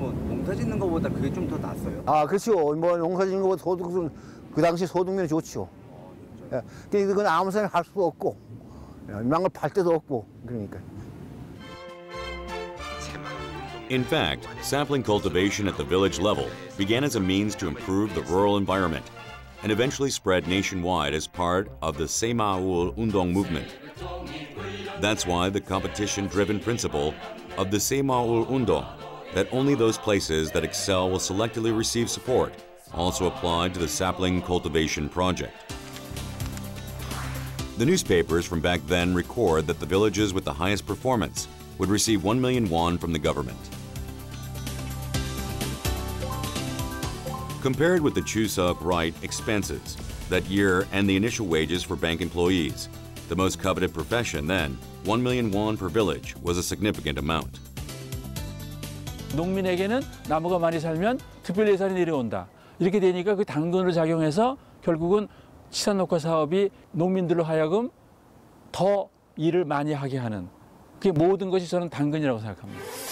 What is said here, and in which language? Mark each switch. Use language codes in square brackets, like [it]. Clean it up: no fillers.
[ko] 농사짓는 것보다 그게 좀 더 낫어요. 아, 그렇죠. 뭐 농사짓는 것보다 소득은 그 당시 소득면 좋죠. 근데 그건 아무 생각 할 수도 없고, 이만 걸 팔 데도 없고, 그러니까. [en] In fact, sapling cultivation at the village level began as a means to improve the rural environment, and eventually spread nationwide as part of the 새마을 운동 movement. That's why the competition-driven principle of the 새마을 운동. That only those places that excel will selectively receive support also applied to the sapling cultivation project. The newspapers from back then record that the villages with the highest performance would receive 1 million won from the government. Compared with the Chuseok right expenses, that year and the initial wages for bank employees, the most coveted profession then 1,000,000 won per village was a significant amount. [ko] 농민에게는 나무가 많이 살면 특별 예산이 내려온다. 이렇게 되니까 그 당근으로 작용해서 결국은 치산녹화 사업이 농민들로 하여금 더 일을 많이 하게 하는 그게 모든 것이 저는 당근이라고 생각합니다.